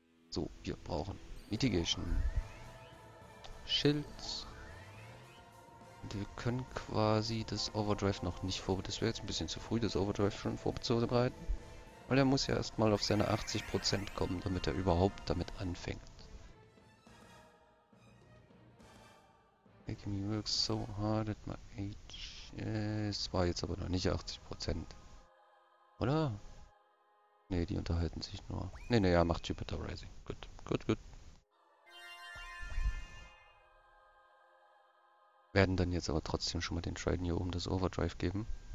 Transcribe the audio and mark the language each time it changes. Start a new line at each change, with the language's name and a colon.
German: So, wir brauchen Mitigation. Schild. Und wir können quasi das Overdrive noch nicht vorbereiten. Das wäre jetzt ein bisschen zu früh, das Overdrive schon vorzubereiten. Weil er muss ja erstmal auf seine 80% kommen, damit er überhaupt damit anfängt.
English: Making me work so hard at my age.
German: Es war jetzt aber noch nicht 80%. Oder? Ne, die unterhalten sich nur. Ne, ja, macht Jupiter Rising. Gut, gut, gut. Werden dann jetzt aber trotzdem schon mal den Trident hier oben das Overdrive geben.